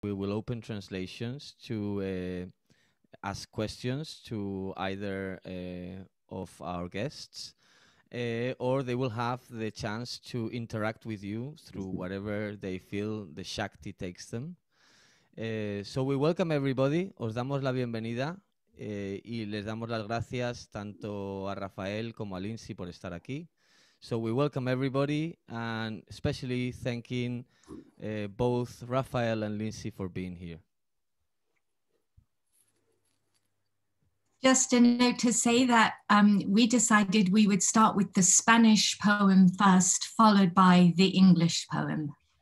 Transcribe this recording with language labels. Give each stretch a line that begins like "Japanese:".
English: We will open translations to ask questions to either of our guests, or they will have the chance to interact with you through whatever they feel the Shakti takes them. So we welcome everybody,
Spanish: os damos la bienvenida, y les damos las gracias tanto a Rafael como a Lindsay por estar aquí.
English: So we welcome everybody, and especially thanking both Rafael and Lindsay for being here. Just a note to say that we decided we would start with the Spanish poem first, followed by the English poem.